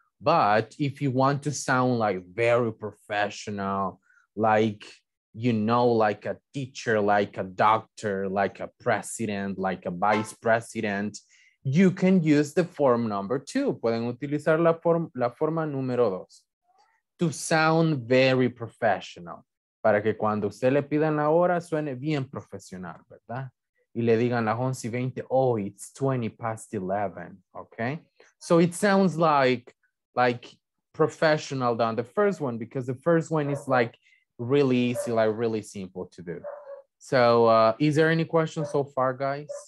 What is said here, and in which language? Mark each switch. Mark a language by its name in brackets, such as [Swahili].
[English] But if you want to sound like very professional, like, you know, like a teacher, like a doctor, like a president, like a vice president, you can use the form number two. [Spanish] Pueden utilizar la forma número dos. [English] To sound very professional, [Spanish] para que cuando usted le pidan la hora suene bien profesional, ¿verdad? Y le digan las 11 y 20, [English] oh, it's 20 past 11, okay? So it sounds like professional than the first one, because the first one is like really easy, like really simple to do. So is there any questions so far, guys?